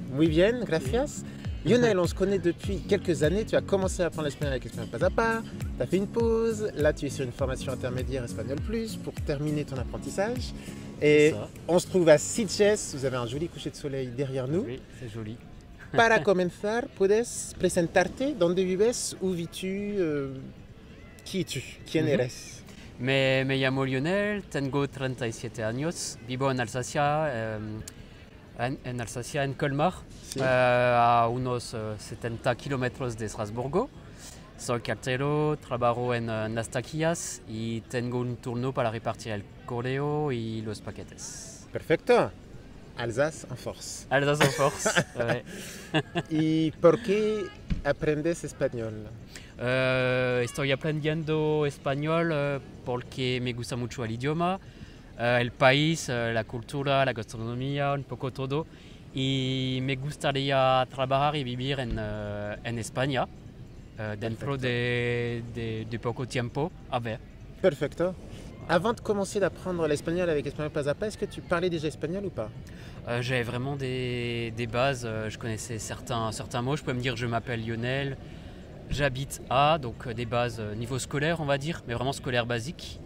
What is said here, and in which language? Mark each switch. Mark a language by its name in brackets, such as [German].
[Spanish] Muy bien, gracias. Sí. [French] Lionel, on se connaît depuis quelques années, tu as commencé à apprendre l'espagnol avec l'espagnol pas à pas, tu as fait une pause, là tu es sur une formation intermédiaire espagnol plus pour terminer ton apprentissage. Et on se trouve à Sitges, vous avez un joli coucher de soleil derrière nous. Oui, c'est joli. [Spanish] Para comenzar, puedes presentarte, ¿dónde vives? [French] Où vis-tu? Qui es-tu? [Spanish] ¿Quién eres? Me llamo Lionel, tengo 37 años, vivo en Alsacia, en Alsacia, en Colmar, sí. A unos 70 kilómetros de Estrasburgo. Soy cartero, trabajo en Nastaquillas y tengo un turno para repartir el correo y los paquetes. [French] Perfecto. Alsace en force. Alsace en force, ouais. [Spanish] ¿Y por qué aprendes español? Estoy aprendiendo español porque me gusta mucho el idioma, el país, la cultura, la gastronomía, un poco todo. Y me gustaría trabajar y vivir en España dentro de poco tiempo. A ver. Perfecto. [French] Avant de commencer d'apprendre l'espagnol avec Espagnol Pas à Pas, est-ce que tu parlais déjà espagnol ou pas? J'avais vraiment des bases, je connaissais certains mots. Je pouvais me dire je m'appelle Lionel, j'habite à, donc des bases niveau scolaire on va dire, mais vraiment scolaire basique.